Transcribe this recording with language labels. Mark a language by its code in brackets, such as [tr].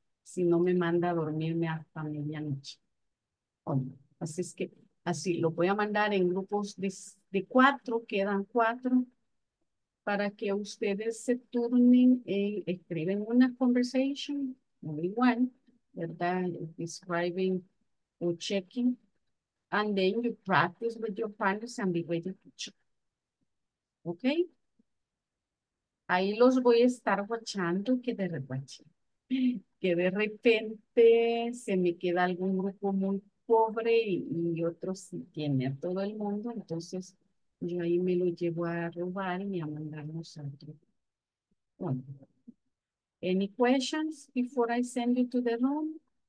[es] Si no, me manda a dormirme hasta medianoche. Así es que, así, lo voy a mandar en grupos de 4, quedan 4, para que ustedes se turnen y escriben una [en] conversation, only one, [es] ¿verdad? [en] Describing o checking. And then you practice with your partners and be ready to check. ¿Ok? [es] Ahí los voy a estar watchando que de repente se me queda algún grupo muy pobre y otros sí tiene a todo el mundo. Entonces, yo ahí me lo llevo a robar y a mandarnos a otro. Bueno. [en] Any questions before I send you to the room?